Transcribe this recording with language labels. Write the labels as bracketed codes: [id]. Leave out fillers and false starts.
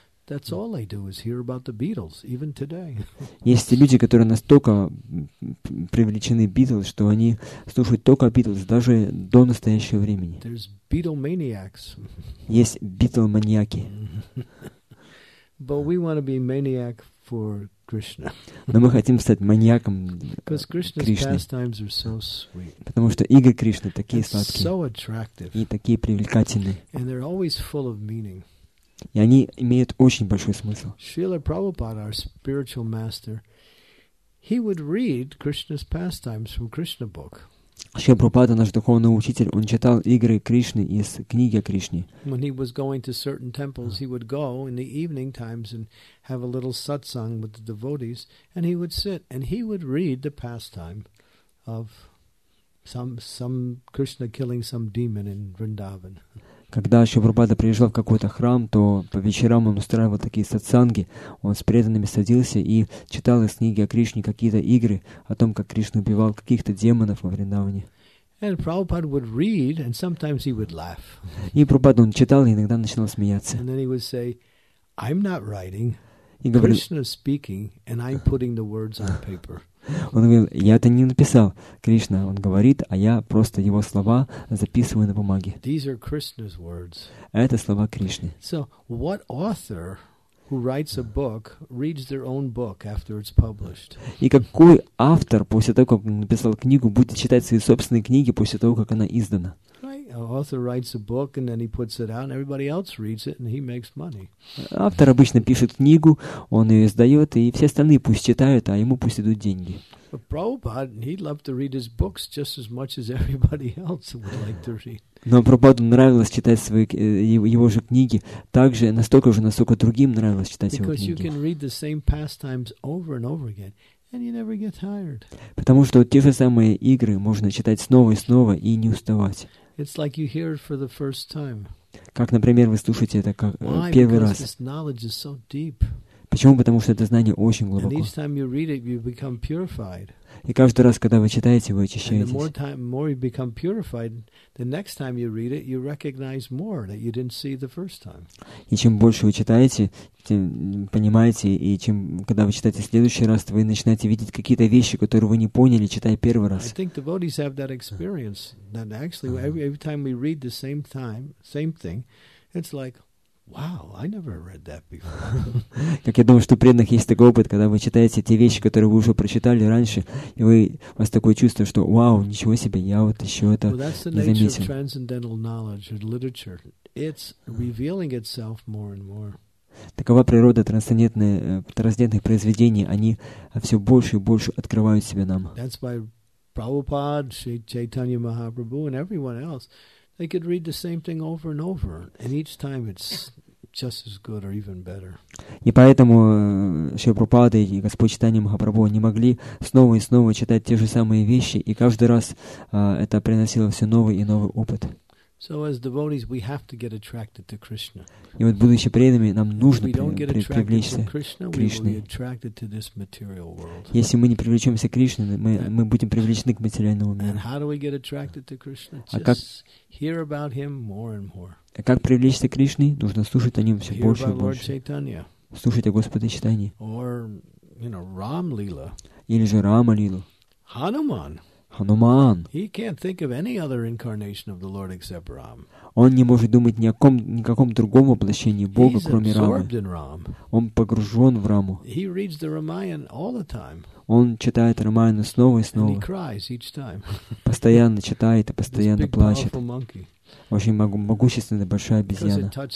[en] That's all they do is hear about the Beatles, even today. [ru] Есть люди, которые настолько привлечены Beatles, что они слушают только Beatles даже до настоящего времени. [en] There's Beatlemaniacs. [ru] Есть Beatlemaniacs. [en] But we want to be maniac for Krishna. [ru] Но мы хотим стать маньяком Кришны. [en] Because Krishna's pastimes are so sweet. [ru] Потому что игры Кришны такие сладкие. [en] So attractive. [ru] И такие привлекательные. [en] And they're always full of meaning. [ru] И они имеют очень большой смысл. [en] Шрила Прабхупада, our spiritual master, he would read Krishna's pastimes from Krishna book. [ru] Шрила Прабхупада, наш духовный учитель, он читал игры Кришны из книги о Кришне. [en] When he was going to certain temples, he would go in the evening times and have a little satsang with the devotees, and he would sit and he would read the pastime of some Krishna killing some demon in Vrindavan. [ru] Когда Шрила Прабхупада приезжал в какой-то храм, то по вечерам он устраивал такие сатсанги, он с преданными садился и читал из книги о Кришне какие-то игры, о том, как Кришна убивал каких-то демонов во Вриндаване. [en] And Prabhupada would read, and sometimes he would laugh. [ru] И Прабхупада, он читал и иногда начинал смеяться. [en] And then he would say, I'm not writing. Krishna is speaking, and I'm putting the words on paper. [ru] Он говорил, я это не написал. Кришна, он говорит, а я просто его слова записываю на бумаге. [en] These are Krishna's words. [ru] Это слова Кришны. [en] So, what author who writes a book reads their own book after it's published? [ru] И какой автор после того, как написал книгу, будет читать свои собственные книги после того, как она издана? [en] Author writes a book and then he puts it out and everybody else reads it and he makes money. [ru] Автор обычно пишет книгу, он ее издает, и все остальные пусть читают, а ему пусть идут деньги. [en] But Prabhupada, he'd love to read his books just as much as everybody else would like to read. [ru] Но Прабхупаду нравилось читать свои, его же книги так же, настолько же, насколько другим нравилось читать [en] Because [ru] его книги. [en] You can read the same pastimes over and over again. And you never get tired. [ru] Потому что те же самые игры можно читать снова и снова и не уставать. [en] It's like you hear it for the first time. [ru] Как, например, вы слушаете это как, первый раз. [en] This knowledge is so deep. [ru] Почему? Потому что это знание очень глубоко. [en] And each time you read it, you become purified. [ru] И каждый раз, когда вы читаете, вы очищаетесь. [en] And the more time, more you become purified, the next time you read it, you recognize more that you didn't see the first time. [ru] И чем больше вы читаете, тем понимаете, и чем, когда вы читаете в следующий раз, вы начинаете видеть какие-то вещи, которые вы не поняли, читая первый раз. [en] I think devotees have that experience that actually every time we read the same time, same thing, it's like. Wow, I never read that before. [ru] Как я думаю, что у преданных есть такой опыт, когда вы читаете те вещи, которые вы уже прочитали раньше, и вы, у вас такое чувство, что «Вау, ничего себе, я вот еще это не заметил». Такова природа трансцендентных произведений. Они все больше и больше открывают себя нам. [en] That's why Prabhupada, Sri Chaitanya Mahaprabhu and everyone else, they could read the same thing over and over, and each time it's just as good or even better. [ru] И поэтому Шрила Прабхупада и Господь Чайтанья Махапрабху не могли снова и снова читать те же самые вещи, и каждый раз это приносило все новый и новый опыт. [en] So as devotees, we have to get attracted to Krishna. [ru] И вот будучи преданными, нам нужно привлечься к Кришне. [en] We will be attracted to this material world. [ru] Если мы не привлечемся к Кришне, мы будем привлечены к материальному миру. [en] And how do we get attracted to Krishna? Just hear about him more and more. [ru] А как привлечься к Кришне? Нужно слушать о нем все больше и больше. Слушать о Господе Чайтанье. [en] Or, you know, Рамлила. [ru] Или же Рамалилу. Хануман. Хануман. [en] He can't think of any other incarnation of the Lord except Ram. [ru] Он не может думать ни о каком другом воплощении Бога, кроме Рамы. [en] He's absorbed in [ru] Ram. Он погружен в Раму. [en] He reads the Ramayana all the time. [ru] Он читает Рамаяну снова и снова. [en] And he cries each time. [ru] Постоянно читает и постоянно плачет. [en] This big powerful monkey. [ru] Очень могущественная, большая обезьяна.